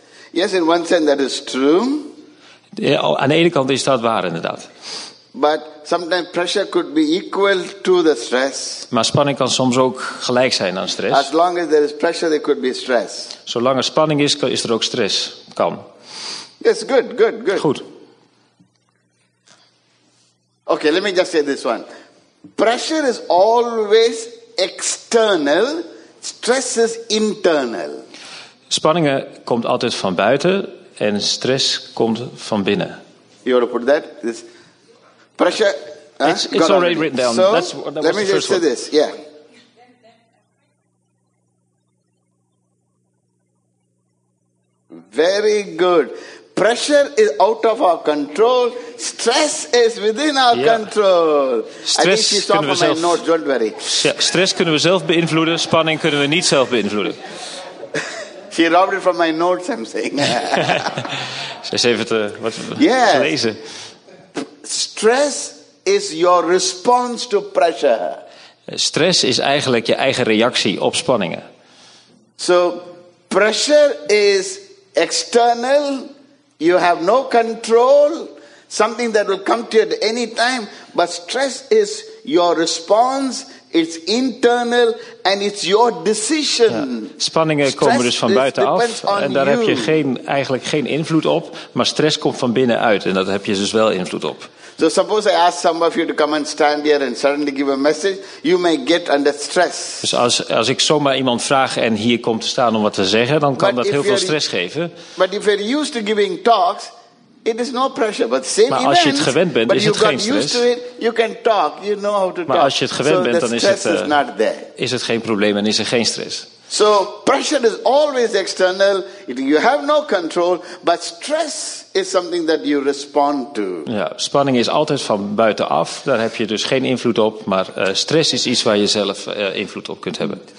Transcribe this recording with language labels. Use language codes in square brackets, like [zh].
[en] Yes, in one sense that is true. [nl] Ja, aan de ene kant is dat waar, inderdaad. [en] But sometimes pressure could be equal to the stress. [nl] Maar spanning kan soms ook gelijk zijn aan stress. [en] As long as there is pressure, there could be stress. [nl] Zolang er spanning is, is er ook stress. Kan. [en] Yes, good, good, good. [nl] Goed. [en] Okay, let me just say this one. Pressure is always external. Stress is internal. [nl] Spanningen komt altijd van buiten. En stress komt van binnen. [en] You want to put that? This pressure. It's already written down. So, let me just say this. Yeah. Very good. Pressure is out of our control. Stress is within our control. Stress, I think she saw from my notes. Don't worry. [nl] Stress kunnen we zelf beïnvloeden. Spanning kunnen we niet zelf beïnvloeden. [en] She robbed it from my notes, I'm saying. [nl] Zij heeft het wat gelezen. [en] Stress is your response to pressure. [nl] Stress is eigenlijk je eigen reactie op spanningen. [en] So, pressure is external. You have no control. Something that will come to you at any time. But stress is your response. It's internal and it's your decision. [nl] Ja, spanningen stress komen dus van buiten af en daar [en] you. [nl] Heb je eigenlijk geen invloed op, maar stress komt van binnen uit en daar heb je dus wel invloed op. [en] So suppose I ask some of you to come and stand here and suddenly give a message, you may get under stress. [nl] Dus als ik zomaar iemand vraag en hier komt te staan om wat te zeggen, dan kan [en] but [nl] dat heel veel stress geven. [en] But if you're used to giving talks, it is no pressure, but same [nl] maar als je het gewend bent, [en] but [nl] is het geen stress. [en] You know how to talk. [nl] Maar als je het gewend [en] so [nl] bent, dan is het geen probleem en is er geen stress. [en] So pressure is always external. You have no control, but stress is something that you respond to. [nl] Ja, spanning is altijd van buitenaf. Daar heb je dus geen invloed op, maar stress is iets waar je zelf invloed op kunt hebben.